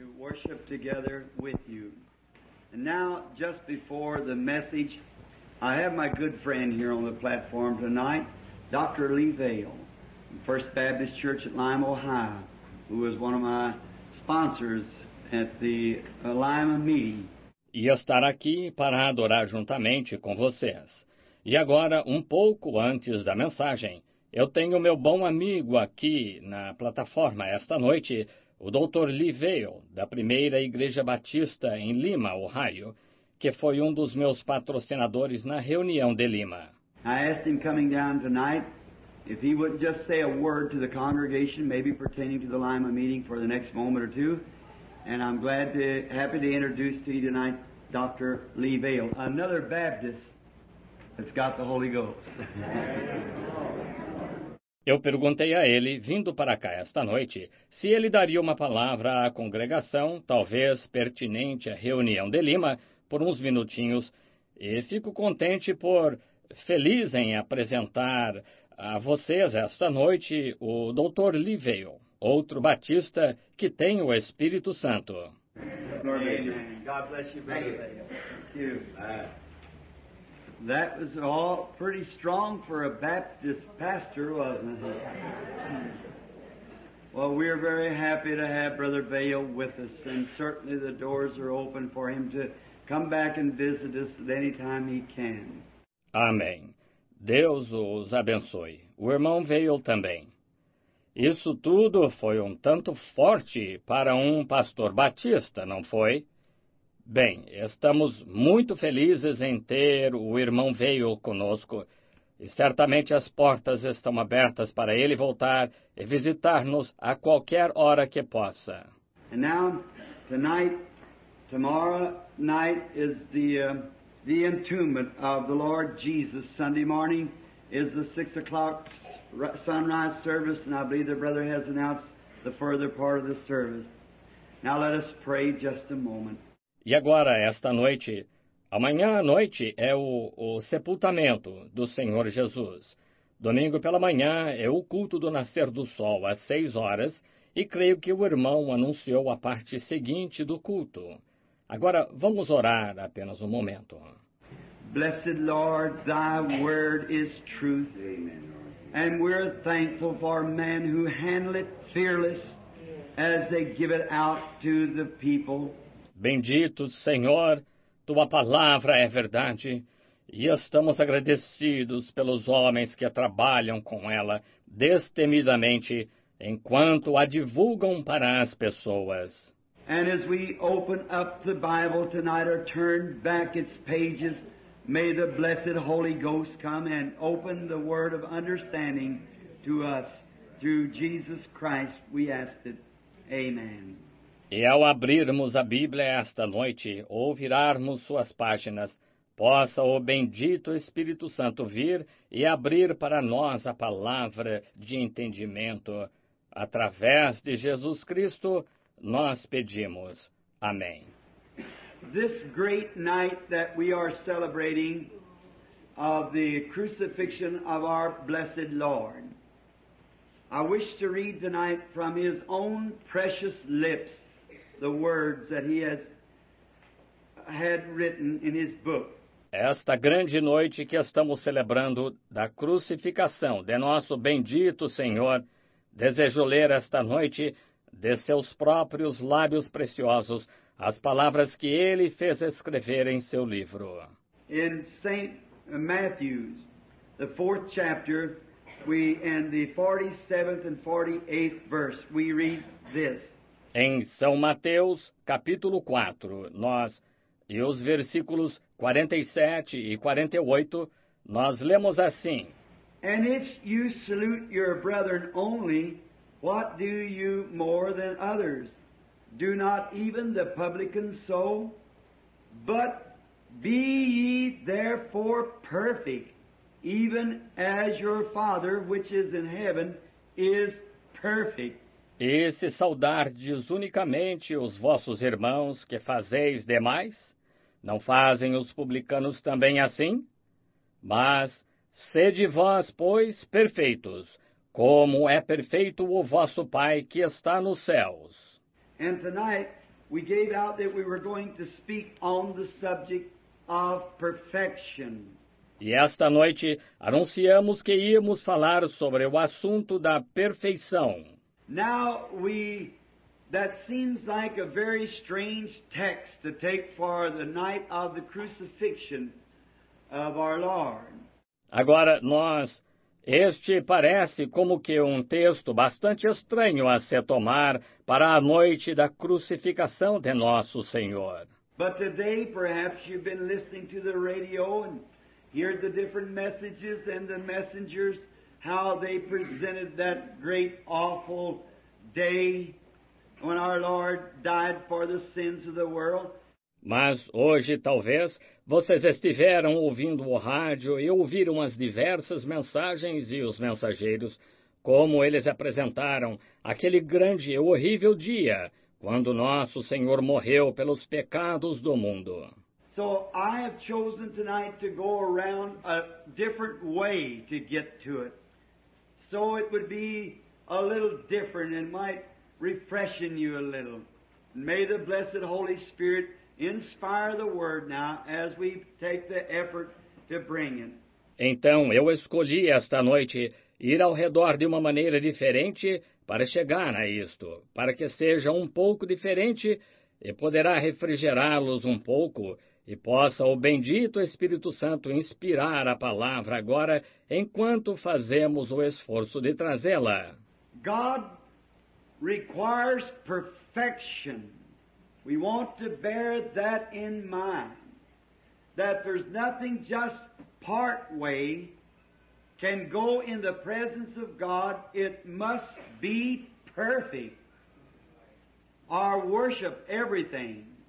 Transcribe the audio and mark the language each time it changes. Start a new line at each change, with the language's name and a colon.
English: Worship together with you. And now, just before the message, I have my good friend here on the platform tonight, Dr. Lee Vail, First Baptist Church at Lima, Ohio, who was one of my sponsors at the Lima meeting.
Portuguese: E estar aqui para adorar juntamente com vocês. E agora, um pouco antes da mensagem, eu tenho meu bom amigo aqui na plataforma esta noite, o Dr. Lee Vail, da Primeira Igreja Batista em Lima, Ohio, que foi um dos meus patrocinadores na reunião de Lima.
English: I asked him coming down tonight if he wouldn't just say a word to the congregation, maybe pertaining to the Lima meeting for the next moment or two. And I'm glad to, happy to introduce to you tonight Dr. Lee Vail, another Baptist that's got the Holy Ghost.
Portuguese: Eu perguntei a ele, vindo para cá esta noite, se ele daria uma palavra à congregação, talvez pertinente à reunião de Lima, por uns minutinhos, e fico contente por, feliz em apresentar a vocês esta noite, o Dr. Lee Vail, outro batista que tem o Espírito Santo.
English: Amém. God bless you, brother. Thank you. That was all pretty strong for a Baptist pastor, wasn't it? Well, we are very happy to have Brother Vail with us, and certainly the doors are open for him to come back and visit us at any time he can.
Portuguese: Amém. Deus os abençoe. O irmão Vail também. Isso tudo foi um tanto forte para um pastor batista, não foi? Bem, estamos muito felizes em ter o irmão Vail conosco, e certamente as portas estão abertas para ele voltar e visitar-nos a qualquer hora que possa.
English: And now, tonight, tomorrow night is the entombment of the Lord Jesus. Sunday morning is the 6 o'clock sunrise service, and I believe the brother has announced the further part of the service. Now let us pray just a moment.
Portuguese: E agora, esta noite, amanhã à noite, é o sepultamento do Senhor Jesus. Domingo pela manhã é o culto do nascer do sol, às 6 horas, e creio que o irmão anunciou a parte seguinte do culto. Agora, vamos orar apenas um momento.
English: Blessed Lord, thy word is truth. And we're thankful for men who handle it fearless as they give it out to the people.
Portuguese: Bendito Senhor, Tua palavra é verdade, e estamos agradecidos pelos homens que trabalham com ela destemidamente enquanto a divulgam para as pessoas.
English: And as we open up the Bible tonight or turn back its pages, may the blessed Holy Ghost come and open the word of understanding to us. Through Jesus Christ we ask it. Amen.
Portuguese: E ao abrirmos a Bíblia esta noite, ou virarmos suas páginas, possa o bendito Espírito Santo vir e abrir para nós a palavra de entendimento. Através de Jesus Cristo, nós pedimos. Amém.
English: This great night that we are celebrating of the crucifixion of our blessed Lord, I wish to read tonight from His own precious lips the words that he has had written in his book.
Portuguese: Esta grande noite que estamos celebrando da crucificação de nosso bendito Senhor, desejo ler esta noite de seus próprios lábios preciosos as palavras que ele fez escrever em seu livro.
English: In St. Matthew's, the 4th chapter, we in the 47th and 48th verse, we read this.
Portuguese: Em São Mateus, capítulo 4, nós, e os versículos 47 e 48, nós lemos assim.
English: And if you salute your brethren only, what do you more than others? do not even the publicans so? But be ye therefore perfect, even as your Father which is in heaven is perfect.
Portuguese: E se saudardes unicamente os vossos irmãos, que fazeis demais, não fazem os publicanos também assim? Mas sede vós, pois, perfeitos, como é perfeito o vosso Pai que está nos céus.
English: And tonight we gave out that we were going to speak on the subject of perfection.
Portuguese: E esta noite anunciamos que íamos falar sobre o assunto da perfeição.
English: Now we, that seems like a very strange text to take for the night of the crucifixion of our Lord.
Portuguese: Agora nós, este parece como que um texto bastante estranho a se tomar para a noite da crucificação de nosso Senhor.
English: But today perhaps you've been listening to the radio and heard the different messages and the messengers, how they presented that great awful day when our Lord died for the sins of the world.
Portuguese: Mas hoje, talvez, vocês estiveram ouvindo o rádio e ouviram as diversas mensagens e os mensageiros, como eles apresentaram aquele grande e horrível dia quando nosso Senhor morreu pelos pecados do mundo.
English: So I have chosen tonight to go around a different way to get to it. So it would be a little different and might refreshen you a little. May the blessed Holy Spirit inspire the word now as we take the effort to bring it.
Portuguese: Então, eu escolhi esta noite ir ao redor de uma maneira diferente para chegar a isto, para que seja um pouco diferente e poderá refrigerá-los um pouco e possa o bendito Espírito Santo inspirar a palavra agora enquanto fazemos o esforço de trazê-la.
English: God requires perfection. We want to bear that in mind, that there's nothing just part way can go in the presence of God. It must be perfect. Our worship, everything.